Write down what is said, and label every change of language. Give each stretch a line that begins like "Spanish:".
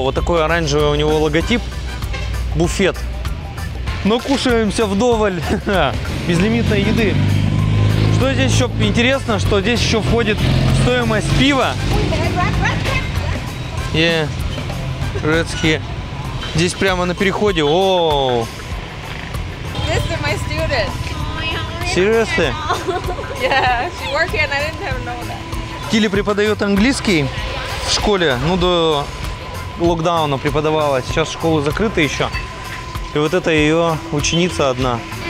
Russian: Вот такой оранжевый у него логотип, буфет. Но кушаемся вдоволь безлимитной еды. Что здесь еще интересно, что здесь еще входит стоимость пива. И Рецки. Здесь прямо на переходе. Оу. Это мой студент. Серьезно?
English: Yeah, she's working, I didn't even know that.
Russian: Тили преподает английский в школе, ну до локдауна преподавала, сейчас школы закрыты еще. И вот это ее ученица одна.